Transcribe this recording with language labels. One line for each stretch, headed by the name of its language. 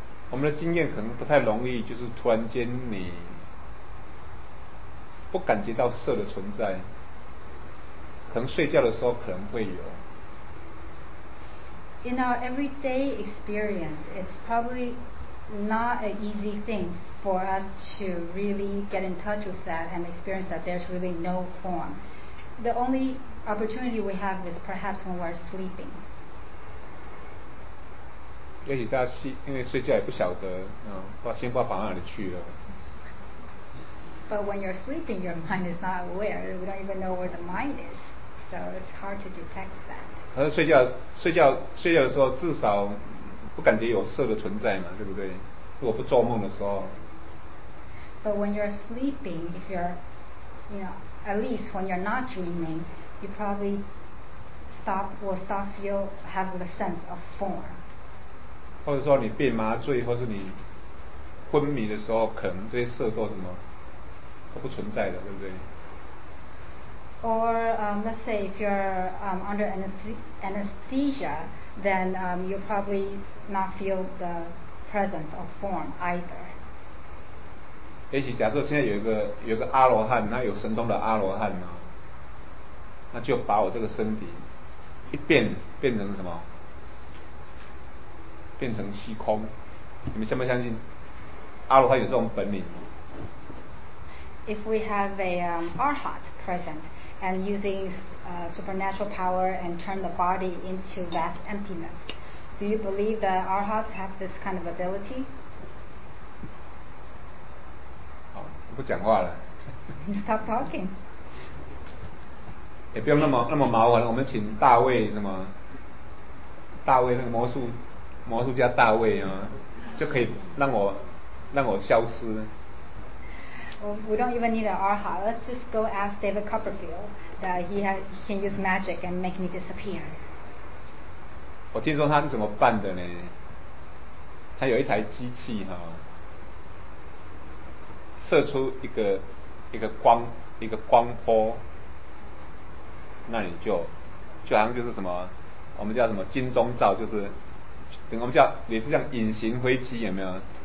Chinese: 我们的经验可能不太容易，就是突然间你。不感觉到色的存在，可能睡觉的时候可能会有。
English: In our everyday experience, it's probably not an easy thing for us to really get in touch with that and experience that there's really no form. The only opportunity we have is perhaps when we're sleeping.
Chinese: 也许大家因为睡觉也不晓得，先不知道跑哪里去了。
English: But when you're sleeping, your mind is not aware. We don't even know where the mind is, so it's hard to detect that.
Chinese: 而睡觉的时候，至少不感觉有色的存在嘛，对不对？如果不做梦的时候。
English: But when you're sleeping, if you're, at least when you're not dreaming, you probably will stop having a sense of form.
Chinese: 或者说你被麻醉，或是你昏迷的时候，可能这些色都什么？不存在的，对不对？
English: Or let's say if you're under anesthesia, then you'll probably not feel the presence of form either.
Chinese: 也许假设现在有一个阿罗汉，他有神通的阿罗汉呢，那就把我这个身体一变成什么？变成虚空，你们相不相信阿罗汉有这种本领？
English: If we have a arhat present and using supernatural power and turn the body into vast emptiness, do you believe that arhats have this kind of ability?
Chinese: 好，不讲话了。
English: Stop talking.
Chinese: 也不用那么麻烦，我们请大卫什么？大卫那个魔术家大卫啊，就可以让我消失。
English: We don't even need an arha. Let's just go ask David Copperfield that he can use magic and make me disappear.
Chinese: 我听说他是怎么办的呢？他有一台机器哈，射出一个光波，那你就好像就是什么，我们叫什么金钟罩，就是我们叫也是像隐形飞机，有没有？